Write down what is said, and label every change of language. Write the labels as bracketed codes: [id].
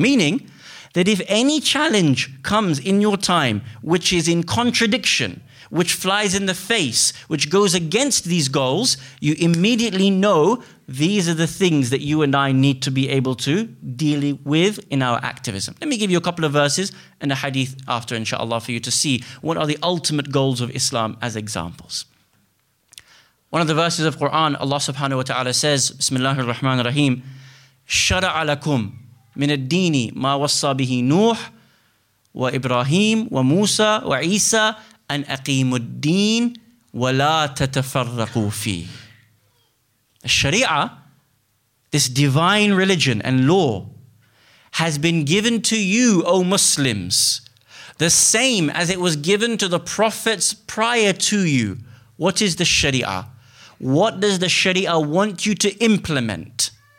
[en] Meaning that if any challenge comes in your time which is in contradiction, which flies in the face, which goes against these goals, you immediately know these are the things that you and I need to be able to deal with in our activism. Let me give you a couple of verses and a hadith after, inshallah, for you to see what are the ultimate goals of Islam as examples. One of the verses of Quran, [ar] Allah subhanahu wa ta'ala says, Bismillah ar-Rahman ar-Rahim, شَرَعَ لَكُمْ مِنَ الدِّينِ مَا وَصَّى بِهِ نُوحٍ وَإِبْرَاهِيمُ وَمُوسَى وَعِيسَى أَنْ أَقِيمُ الدِّينِ وَلَا تَتَفَرَّقُوا فِيهِ. [en] Sharia, this divine religion and law, has been given to you, O Muslims, the same as it was given to the prophets prior to you. What is the Sharia? What does the Sharia want you to implement?